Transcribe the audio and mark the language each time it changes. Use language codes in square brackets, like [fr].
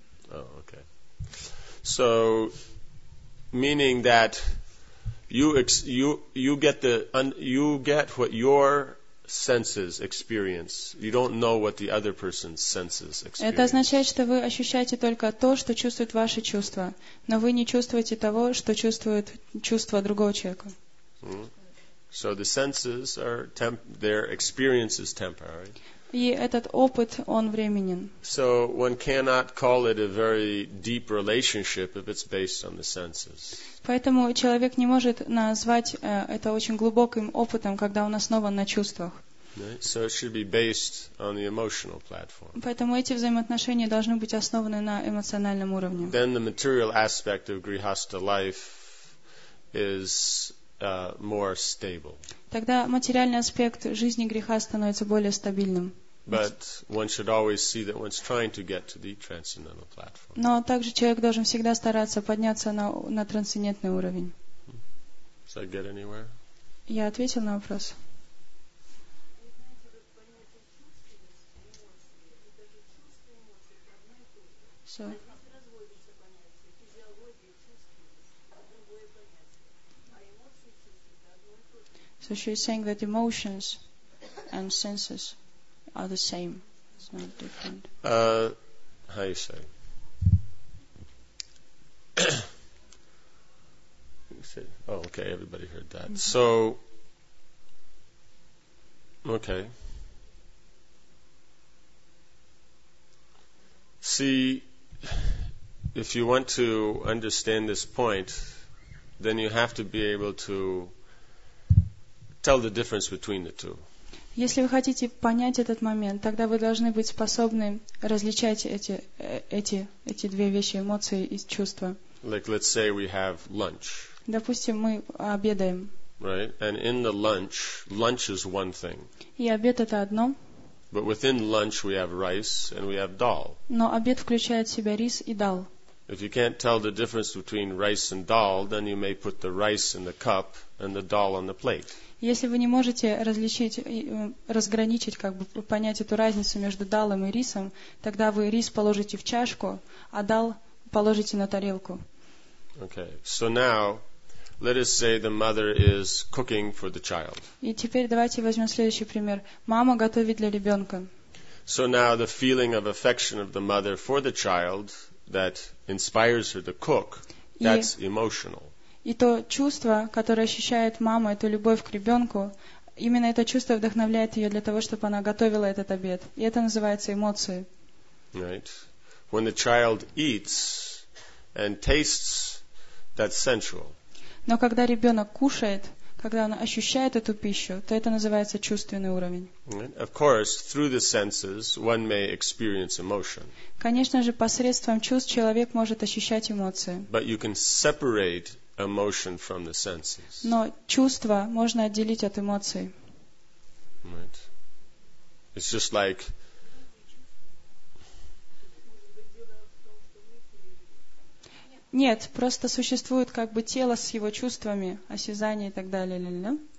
[en] Talking about. Oh, okay. So, meaning that you get what your senses experience. You don't know what the other person's senses experience. [ru] Это означает, что вы ощущаете только то, что чувствуют ваши чувства, но вы не чувствуете того, что чувствуют чувства другого человека. Mm-hmm. [en] So the senses are their experience is temporary. [ru] И этот опыт, он временен. [en] So one cannot call it a very deep relationship if it's based on the senses. [ru] Поэтому человек не может назвать это очень глубоким опытом, когда он основан на чувствах. [en] Right? So it should be based on the emotional platform. [ru] Поэтому эти взаимоотношения должны быть основаны на эмоциональном уровне. [en] Then the material aspect of grihastha life is more stable. [ru] Тогда материальный аспект жизни греха становится более стабильным. [en] But one should always see that one's trying to get to the transcendental platform. [ru] Но также человек должен всегда стараться подняться на трансцендентный уровень. [en] Did I get anywhere? [ru] Я ответил на вопрос. [en] So she's saying that emotions and senses are the same. It's not different. How you say? Oh, okay. Everybody heard that. Mm-hmm. So, okay. See, if you want to understand this point, then you have to be able to tell the difference between the two. [ru] Если вы хотите понять этот момент, тогда вы должны быть способны различать эти две вещи, эмоции и чувства. [en] Like, let's say we have lunch. [ru] Допустим, мы обедаем. [en] Right? And in the lunch, lunch is one thing. [ru] И обед это одно. [en] But within lunch we have rice and we have dal. [ru] Но обед включает в себя рис и дал. [en] If you can't tell the difference between rice and dal, then you may put the rice in the cup and the dal on the plate. [ru] Если вы не можете различить, разграничить, как бы понять эту разницу между далом и рисом, тогда вы рис положите в чашку, а дал положите на тарелку. [en] Okay. So now, let us say the mother is cooking for the child. [ru] И теперь давайте возьмем следующий пример. Мама готовит для ребенка. [en] So now the feeling of affection of the mother for the child that inspires her to cook, that's emotional. [ru] И то чувство, которое ощущает мама, эту любовь к ребенку, именно это чувство вдохновляет ее для того, чтобы она готовила этот обед. И это называется эмоции. [en] Right. When the child eats and tastes, that's sensual. [ru] Но когда ребенок кушает, когда он ощущает эту пищу, то это называется чувственный уровень. [en] Of course, through the senses, one may experience emotion. [ru] Конечно же, посредством чувств человек может ощущать эмоции. [en] But you can separate emotion from the senses. [ru] Но чувства можно отделить от эмоций. [en] Right. It's just like [ru] нет, просто существует как бы тело с его чувствами, осязание и так далее.